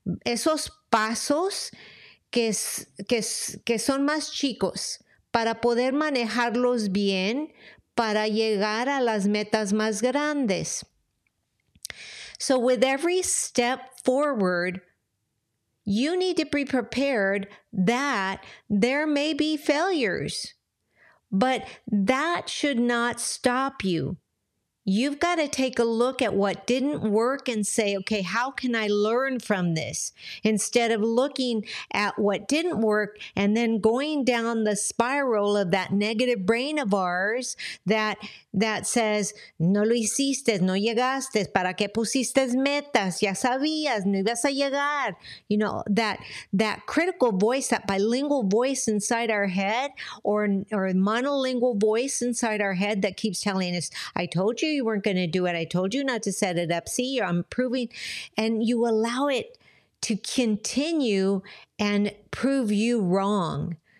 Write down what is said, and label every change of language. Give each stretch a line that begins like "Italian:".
Spanish: Esos pasos que son más chicos para poder manejarlos bien para llegar a las metas más grandes.
English: So with every step forward, you need to be prepared that there may be failures, but that should not stop you. You've got to take a look at what didn't work and say, okay, how can I learn from this? Instead of looking at what didn't work and then going down the spiral of that negative brain of ours that says,
Spanish: no lo hiciste, no llegaste, ¿para qué pusiste metas? Ya sabías, no ibas a llegar.
English: You know, that critical voice, that bilingual voice inside our head or monolingual voice inside our head that keeps telling us, I told you you weren't going to do it. I told you not to set it up. See, I'm proving. And you allow it to continue and prove you wrong.